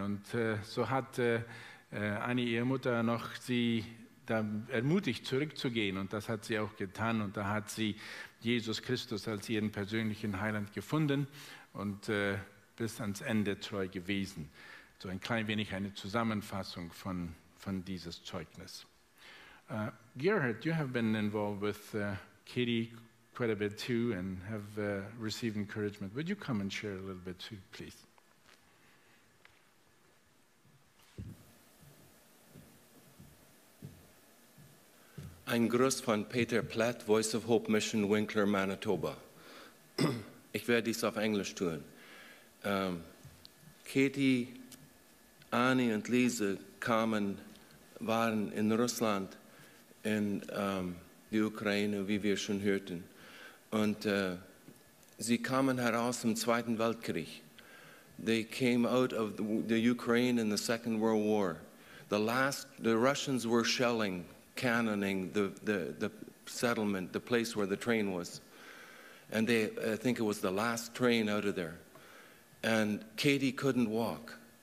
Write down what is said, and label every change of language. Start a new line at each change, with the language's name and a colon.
German: Und so hat Annie, ihre Mutter, noch sie da ermutigt, zurückzugehen. Und das hat sie auch getan. Und da hat sie Jesus Christus als ihren persönlichen Heiland gefunden. Und bis ans Ende treu gewesen. So ein klein wenig eine Zusammenfassung von dieses Zeugnis.
English: Gerhard, you have been involved with Kaethe quite a bit too and have received encouragement. Would you come and share a little bit too, please?
German: Ein Gruß von Peter Platt, Voice of Hope Mission, Winkler, Manitoba. Ich werde dies auf Englisch tun. Kaethe, Annie und Lisa waren in Russland, in die Ukraine, wie wir schon hörten. Und sie kamen heraus im Zweiten Weltkrieg.
English: They came out of the Ukraine in the Second World War. The Russians were shelling, cannoning the settlement, the place where the train was. And I think it was the last train out of there. And Kaethe couldn't walk.